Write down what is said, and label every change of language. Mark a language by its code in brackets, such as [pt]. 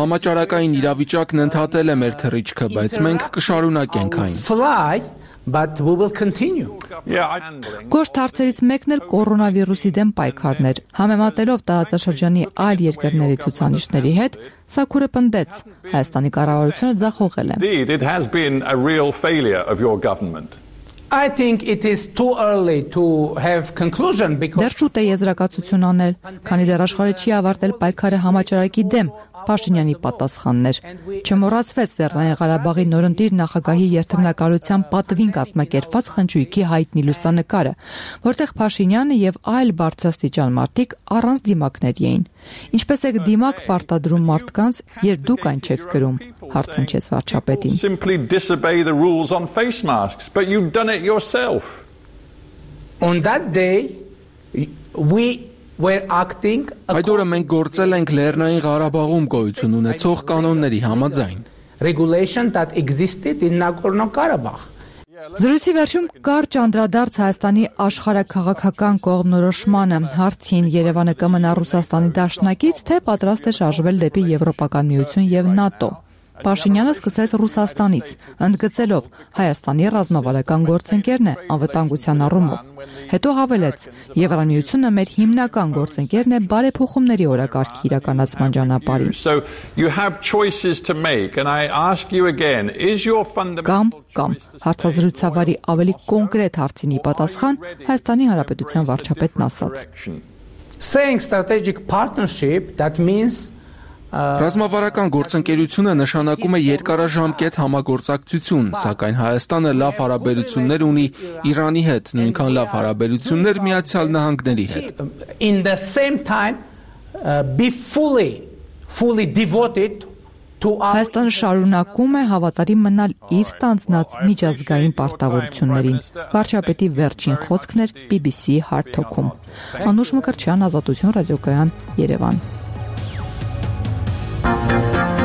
[hy] Համաճարակային իրավիճակն ընդհատել է մեր թռիչքը, բայց մենք կշարունակենք այն։ [en] But we will continue. [hy] Կոշտ հարցերից մեկն էլ կորոնավիրուսի դեմ պայքարն էր։ Համեմատելով տարածաշրջանի այլ երկրների ցուցանիշների հետ, Սաքուրը պնդեց, Հայաստանի կառավարությունը ձախողել է։ [en] Indeed, it has been a real failure of your government. I think it is too early to have conclusion because [hy] Դեռ շուտ է եզրակացություն անել, քանի դեռ աշխարհը չի ավարտել պայքարը համաճարակի դեմ։ Փաշինյանի պատասխաններ չմոռացվեց Լեռնային Ղարաբաղի նորընտիր նախագահի երթևնակալության պատվին կազմակերպված խնջույքի հայտնի լուսանկարը, որտեղ Փաշինյանը եւ այլ բարձրաստիճան մարդիկ առանց դիմակների էին։ Ինչպես եք դիմակ պարտադրում մարդկանց, երբ դուք այն չեք գրում, հարցնեց վարչապետին։ [en] Simply disobey the rules on face masks, but you've done it yourself. On that day we We're acting according [hy] Այդ օրը մենք գործել ենք Լեռնային Ղարաբաղում գոյություն ունեցող կանոնների համաձայն. [en] Regulation that existed in Nagorno-Karabakh. [hy] Զրույցի վերջում կարճ անդրադարձ Հայաստանի աշխարհակաղակական կողմնորոշմանը հարցին Երևանը կմնա Ռուսաստանի դաշնակից, թե պատրաստ է շարժվել դեպի Եվրոպական միություն եւ ՆԱՏՕ։ Պաշինյանը սկսեց Ռուսաստանից, ընդգծելով Հայաստանի ռազմավարական գործընկերն է անվտանգության առումով։ Հետո հավելեց. Եվրամիությունը մեր հիմնական գործընկերն է բարեփոխումների օրակարգի իրականացման ճանապարհին։ [en] So you have choices to make and I ask you again, is your fundamental [hy] Կամ հարցազրույցավարի ավելի կոնկրետ հարցինի պատասխան Հայաստանի Հանրապետության վարչապետն ասաց. [en] Saying strategic partnership that means [hy] Ռազմավարական գործընկերությունը նշանակում է երկարաժամկետ համագործակցություն, սակայն Հայաստանը լավ հարաբերություններ ունի Իրանի հետ, նույնքան լավ հարաբերություններ Միացյալ Նահանգների հետ։ [en] In the same time be fully devoted to [hy] Հայաստանը շարունակում է հավատարի մնալ իր ստանձնած միջազգային պարտավորություններին։ Վարչապետի վերջին խոսքն էր BBC Hard Talk-ում։ Անուշ Մկրտչյան, Ազատություն ռադիոկայան, Երևան։ [en] Thank you.